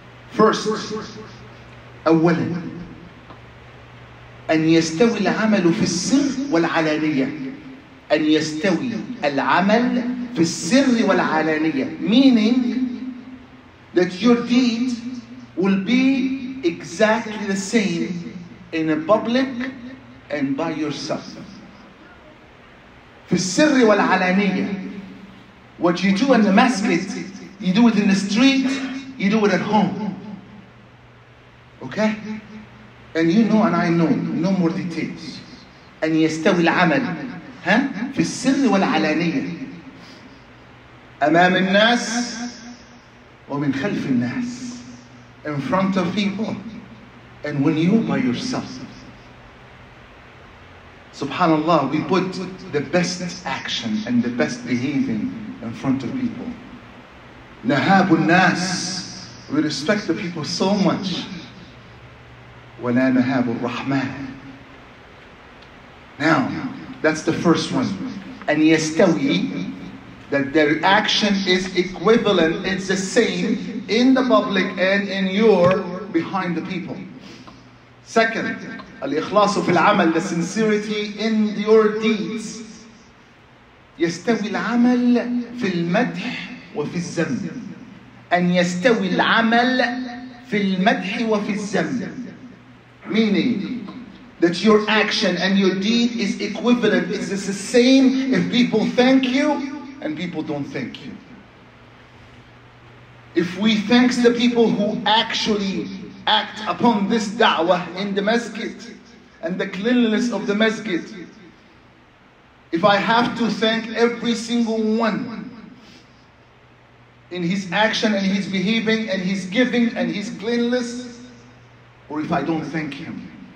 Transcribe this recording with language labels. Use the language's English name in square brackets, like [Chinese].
[Arabic] First, أولا أن يستوي العمل في السر والعلانية. أن يستوي العمل في السر والعلانية. [English] Meaning that your deed will be exactly the same in a public and by yourself. [Arabic] في السر والعلانية. [English] What you do in the masjid, you do it in the street, you do it at home. Okay? And you know and I know, no more details. [Arabic] أن يستوي العمل في السر والعلانية أمام الناس ومن خلف الناس. [English] In front of people and when you by yourself. Subhanallah, we put the best action and the best behaving in front of people. [Arabic] نهاب الناس. [English] We respect the people so much. [Arabic] ولا نهاب الرحمن. [English] Now, that's the first one. [Arabic] أن يستوي, [English] that their action is equivalent, it's the same in the public and in your behind the people. Second, [Arabic] الإخلاص في العمل, [English] the sincerity in your deeds. [Arabic] يستوي العمل في المدح وفي الذم. أن يستوي العمل في المدح وفي الذم. [English] Meaning that your action and your deed is equivalent. It's the same if people thank you and people don't thank you. If we thank the people who actually act upon this da'wah in the masjid and the cleanliness of the masjid, if I have to thank every single one in his action and his behaving and his giving and his cleanliness, or if I don't thank him.